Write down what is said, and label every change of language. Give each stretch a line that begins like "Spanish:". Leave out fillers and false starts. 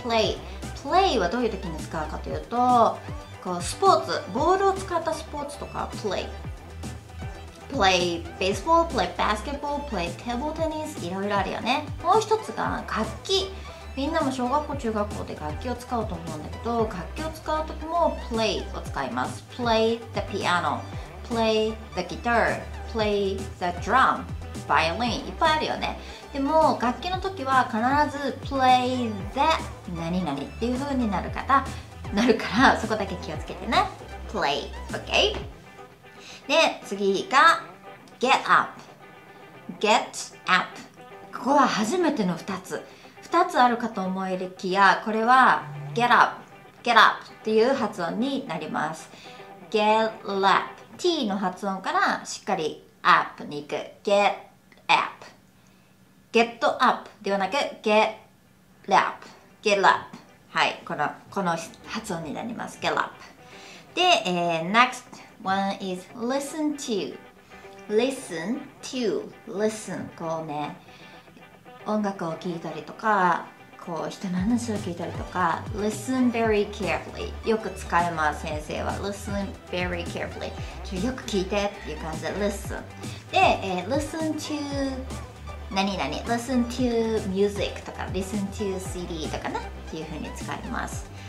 Japanese: play play はどういうときに使うかというと、こうスポーツ、ボールを使ったスポーツとか
English: play play baseball、 play basketball、 play table tennis、
Japanese: いろいろあるよね。もう一つが楽器、みんなも小学校中学校で楽器を使うと思うんだけど、楽器を使うときも play を使います。
English: play the piano、 play the guitar、 play the drum、 violin、
Japanese: いっぱいあるよね。でも楽器のときは必ず play the 何々っていう風になる方なるから、そこだけ気をつけてね。
English: play、 OK。
Japanese: で次が
English: get up get up、
Japanese: ここは初めての2つ2つあるかと思いきや、これは get up get up っていう発音になります。
English: get up、 T
Japanese: の発音からしっかり
English: up に行く、 get up get up
Japanese: ではなく
English: get up get up。
Japanese: はい、この発音になります、
English: get up。で、nextOne is listen to listen to listen、
Japanese: こうね、音楽を聴いたりとかこう人の話を聞いたりとか
English: Listen very carefully
Japanese: よく使います。先生は
English: Listen very carefully
Japanese: よく聞いてっていう感じで Listen で、Listen to 何々
English: Listen to music
Japanese: とか Listen to CD とかなっていう風に使います。